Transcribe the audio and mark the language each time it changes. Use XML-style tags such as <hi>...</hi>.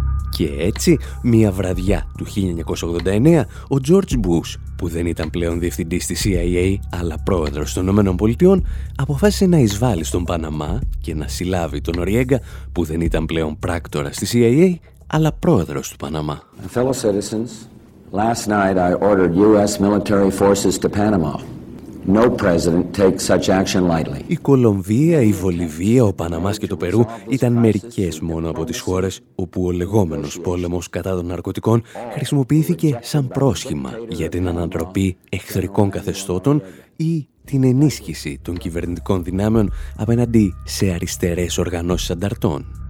<el>Και έτσι, μία βραδιά του 1989, ο Τζορτζ Μπους, που δεν ήταν πλέον διευθυντής της CIA, αλλά πρόεδρος των ΗΠΑ, αποφάσισε να εισβάλλει στον Παναμά και να συλλάβει τον Νοριέγκα, που δεν ήταν πλέον πράκτορας της CIA, αλλά πρόεδρος του Παναμά.</el> <en>Fellow citizens, last night I ordered US military forces to Panama. No president takes such action lightly.</en> <el>Η Κολομβία, η Βολιβία, ο Παναμάς και το Περού ήταν μερικές μόνο από τις χώρες όπου ο λεγόμενος πόλεμος κατά των ναρκωτικών χρησιμοποιήθηκε σαν πρόσχημα για την ανατροπή εχθρικών καθεστώτων ή την ενίσχυση των κυβερνητικών δυνάμεων απέναντι σε αριστερές οργανώσεις ανταρτών.</el>